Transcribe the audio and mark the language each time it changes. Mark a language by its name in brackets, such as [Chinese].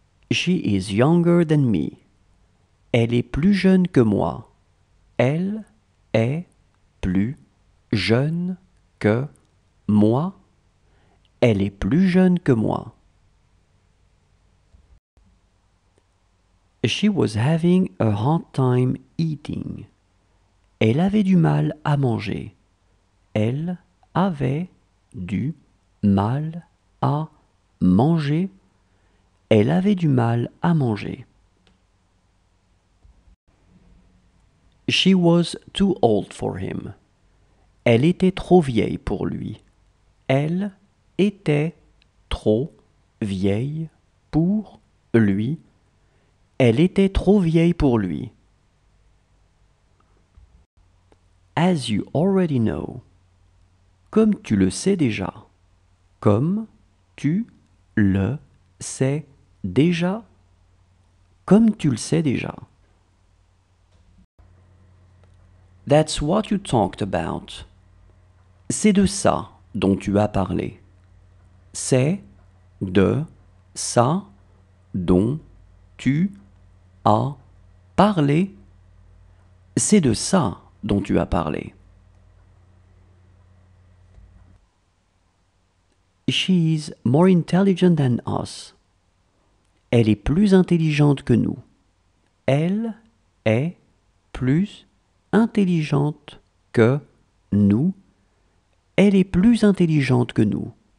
[English] She is younger than me. [French] Elle est plus jeune que moi. Elle est plus jeune que moi. Elle est plus jeune que moi. [English] She was having a hard time eating. [French] Elle avait du mal à manger. Elle avait du mal à manger. Elle avait du mal à manger. [English] She was too old for him. [French] Elle était trop vieille pour lui. Elle était trop vieille pour lui. Elle était trop vieille pour lui. [English] As you already know. [French] Comme tu le sais déjà. Comme tu le sais déjà. Comme tu le sais déjà. [English] That's what you talked about. [French] C'est de ça dont tu as parlé. C'est de ça dont tu a parlé. C'est de ça dont tu as parlé. [English] She is more intelligent than us. [French] Elle est plus intelligente que nous. Elle est plus intelligente que nous. Elle est plus intelligente que nous.